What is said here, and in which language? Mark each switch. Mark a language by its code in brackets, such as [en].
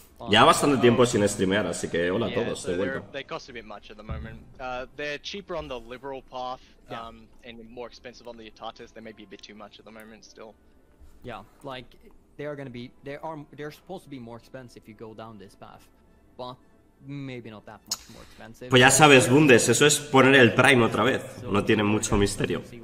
[es] Ya bastante tiempo sin streamear, así que hola a todos, de vuelta. [en] They cost a bit much at the moment. They're cheaper on the liberal path, and more expensive on the Utatis. They may be a bit too much at the moment still. Yeah, like they're supposed to be more expensive if you go down this path, but maybe not that much more expensive. [es] Pues ya sabes, Bundes, eso es poner el Prime otra vez. No tiene mucho misterio.